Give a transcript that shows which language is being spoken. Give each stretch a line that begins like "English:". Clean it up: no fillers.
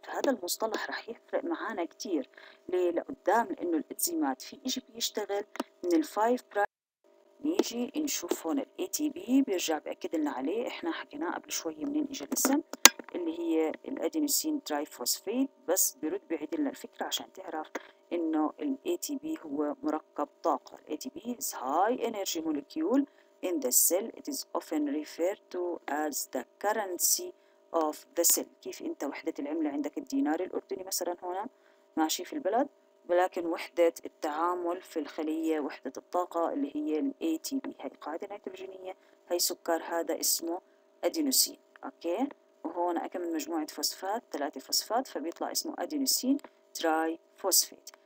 Arabic: فهذا المصطلح رح يفرق معانا كثير لقدام، لانه الانزيمات في شيء بيشتغل من ال 5 برايم. نيجي نشوف هون ال ATP بيرجع باكد لنا عليه، احنا حكيناه قبل شوي منين اجى الاسم اللي هي الادينوسين تراي فوسفيت، بس بيرد بعيد لنا الفكره عشان تعرف انه ال ATP هو مركب طاقه.
English: ال ATP is high energy molecule in the cell, it is often referred to as the currency of the cell.
Arabic: كيف انت وحدة العملة عندك الدينار الأردني مثلا هنا ماشي في البلد، ولكن وحدة التعامل في الخلية وحدة الطاقة اللي هي الـ ATP. هاي قاعدة نيتروجينية، هاي سكر، هذا اسمه أدينوسين. أوكي وهون أكمل مجموعة فوسفات، ثلاثة فوسفات، فبيطلع اسمه أدينوسين تراي فوسفيت.